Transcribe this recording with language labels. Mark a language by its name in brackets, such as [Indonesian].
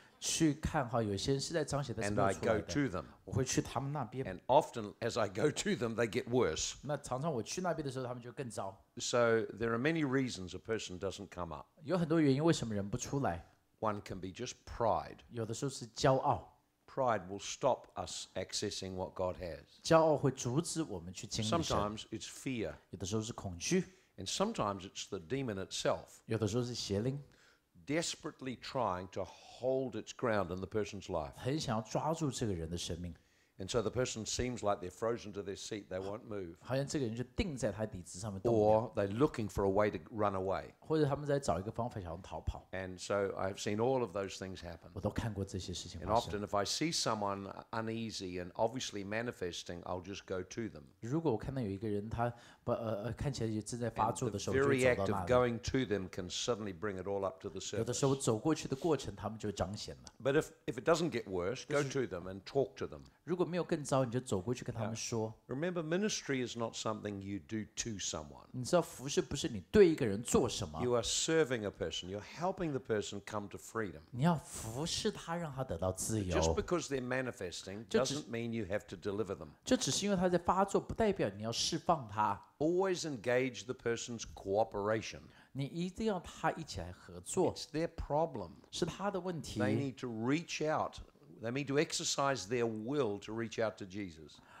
[Chinese] 我们会去看好有些人是在彰显的, [English] and I go to them. [Chinese] 我会去他们那边, [English] and often, as I go to them, they get worse. [Chinese] 那常常我去那边的时候, 他们就更糟。 [English] So there are many reasons a person doesn't come up. [Chinese] 有很多原因为什么人不出来。 [English] One can be just pride. [Chinese] 有的时候是骄傲。 [English] Pride will stop us accessing what God has. [Chinese] 骄傲会阻止我们去经历神。 [English] Sometimes it's fear. [Chinese] 有的时候是恐惧。 [English] And sometimes it's the demon itself. [Chinese] 有的时候是邪灵。 [English] Desperately trying to hold its ground in the person's life. [Chinese] 很想要抓住这个人的生命。 [English] And so the person seems like they're frozen to their seat, they won't move. [Chinese] 好像这个人就定在他底子上面动不了。 [English] Or they're looking for a way to run away. [Chinese] 或者他们在找一个方法想要逃跑。 [English] And so I've seen all of those things happen. [Chinese] 我都看过这些事情发生。 [English] And often if I see someone uneasy and obviously manifesting, I'll just go to them. [Chinese] 如果我看到有一个人他看起来正在发作的时候, [English] And the very act of going to them can suddenly bring it all up to the surface. [Chinese] 有的时候走过去的过程, 他们就彰显了。 [English] But if it doesn't get worse, go to them and talk to them. [Chinese] 如果没有更糟，你就走过去跟他们说。 [English] Remember, ministry is not something you do to someone. [Chinese] 你知道服侍不是你对一个人做什么。 [English] You are serving a person. You're helping the person come to freedom. [Chinese] 你要服侍他，让他得到自由。 [English] Just because they're manifesting doesn't mean you have to deliver them. [Chinese] 就只是因为他在发作，不代表你要释放他。 [English] Always engage the person's cooperation. [Chinese] 你一定要他一起来合作。 [English] It's their problem. [Chinese] 是他的问题。 [English] They need to reach out. They need to exercise their will to reach out to Jesus.